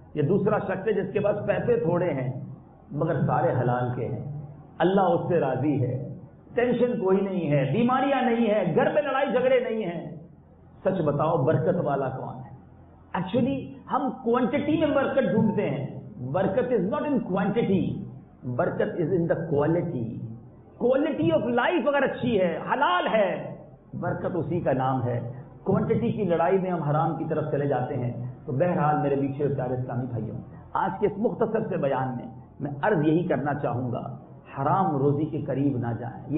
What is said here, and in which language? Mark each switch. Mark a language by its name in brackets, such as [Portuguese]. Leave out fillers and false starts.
[Urdu] یہ دوسرا شخص ہے جس کے پاس پیسے تھوڑے ہیں مگر سارے حلال کے ہیں, اللہ اس سے راضی ہے, ٹینشن کوئی نہیں ہے, بیماریاں نہیں ہیں, گھر میں لڑائی جھگڑے نہیں ہیں. سچ بتاؤ برکت والا کون ہے؟ ایکچولی ہم کوانٹٹی میں برکت ڈھونڈتے ہیں. [English] برکت is not in quantity, برکت is in the quality. [Urdu] Quality of life اگر اچھی ہے, حلال ہے, برکت اسی کا نام ہے. کوانٹٹی کی لڑائی میں ہم حرام کی طرف چلے جاتے ہیں. تو بہرحال میرے بیچے پیارے اسلامی بھائیوں, آج کے اس مختصر سے بیان میں میں عرض یہی کرنا چاہوں گا, حرام روزی کے قریب نہ جائیں.